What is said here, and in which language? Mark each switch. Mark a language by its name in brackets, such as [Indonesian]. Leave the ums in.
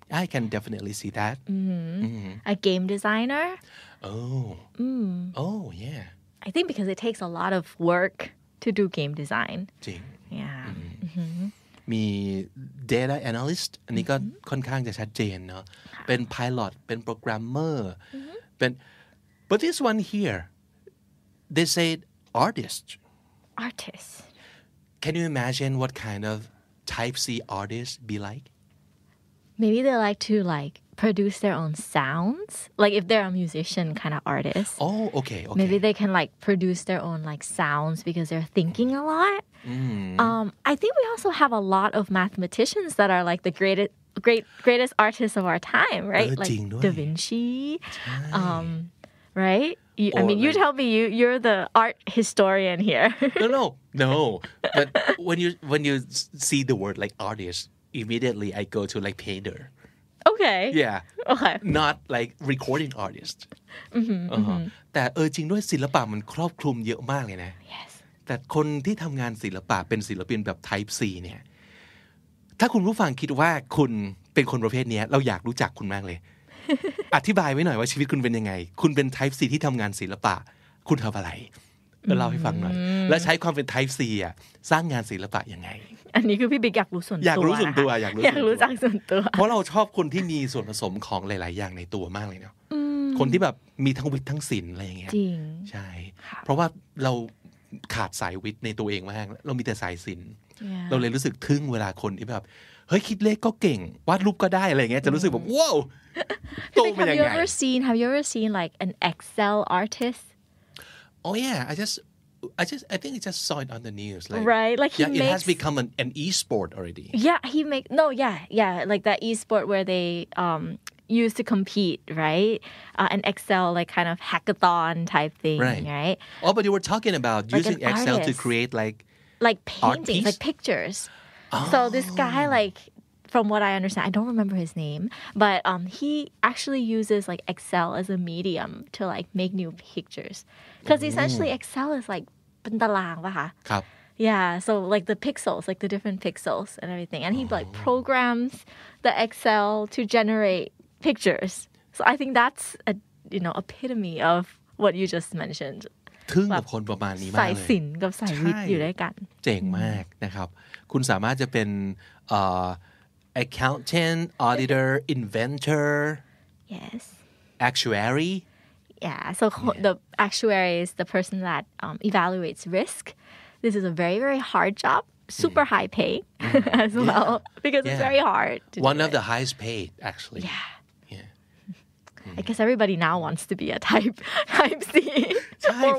[English] I can definitely see that. Mm -hmm. Mm -hmm. A game designer. Oh. Mm. Oh yeah. I think because it takes a lot of work to do game design. จริง Yeah. Mm-hmm. Mm-hmm. Mm -hmm. mm -hmm. [Thai] มี data analyst อันนี้ก็ค่อนข้างจะชัดเจนเนาะเป็น mm -hmm. pilot เป็น programmer mm-hmm. เป็น Been... [English] but this one here they said artist. Artist. Can you imagine what kind of type C artist be like? maybe they like to like produce their own sounds like if they're a musician kind of artist oh okay, okay. maybe they can like produce their own like sounds because they're thinking a lot mm. um i think we also have a lot of mathematicians that are like the greatest great greatest artists of our time right oh, like da vinci um, right you, i mean like, you tell me you you're the art historian here no, no no but when you when you see the word like artist immediately I go to like painter. Okay. Yeah. Okay. Not like recording artist. [Thai] แต่เออจริงด้วยศิลปะมันครอบคลุมเยอะมากเลยนะ Yes. แต่คนที่ทำงานศิลปะเป็นศิลปินแบบ type C เนี่ย ถ้าคุณผู้ฟังคิดว่าคุณเป็นคนประเภทนี้เราอยากรู้จักคุณมากเลย อธิบายไว้หน่อยว่าชีวิตคุณเป็นยังไง คุณเป็น type C ที่ทำงานศิลปะ คุณทำอะไรเล่าให้ฟังหน่อย และใช้ความเป็น type C อ่ะสร้างงานศิลปะยังไง อันนี้คือพี่บิ๊กอยากรู้ส่วนตัวอยากรู้ส่วนตัวอยากรู้อยากรู้จักส่วนตัวเพ ราะเราชอบคนที่มีส่วนผสมของหลาย ๆ อย่างในตัวมากเลยเนาะคนที่แบบมีทั้งวิทย์ทั้งศิลอะไรอย่างเงี้ยจริงใช่ เพราะว่าเราขาดสายวิทย์ในตัวเองมาก เรามีแต่สายศิลเราเลยรู้สึกทึ่งเวลาคนที่แบบ เฮ้ยคิดเลขก็เก่งวาดรูปก็ได้อะไรเงี้ยจะรู้สึกแบบว้าวโตเป็นยังไง [English] Have you ever seen Have you ever seen like an Excel artist Oh yeah I just I just I think I just saw it on the news. Like, right. Like he yeah, makes, it has become an, an sport already. Yeah, he makes no, yeah, yeah. Like that e sport where they um used to compete, right? Uh, an Excel like kind of hackathon type thing. Right. right? Oh, but you were talking about like using Excel to create like like paintings, like pictures. Oh. So this guy like from what I understand, I don't remember his name, but um, he actually uses like Excel as a medium to like make new pictures. Because uh -oh. essentially, Excel is like uh -oh. yeah, so like the pixels, like the different pixels and everything, and he like programs the Excel to generate pictures. So I think that's a you know epitome of what you just mentioned. [Thai] ทึ่งกับคนประมาณนี้มากเลยสายสิน กับสายวิทย์อยู่ด้วยกันเจ๋งมาก นะครับคุณสามารถจะเป็น [English] accountant, auditor, inventor. Yes. Actuary. Yeah. So ho- yeah. the actuary is the person that um, evaluates risk. This is a very very hard job. Super high pay mm. as yeah. well because yeah. it's very hard. One of it. the highest paid actually. Yeah. Mm -hmm. I guess everybody now wants to be a type type C or, or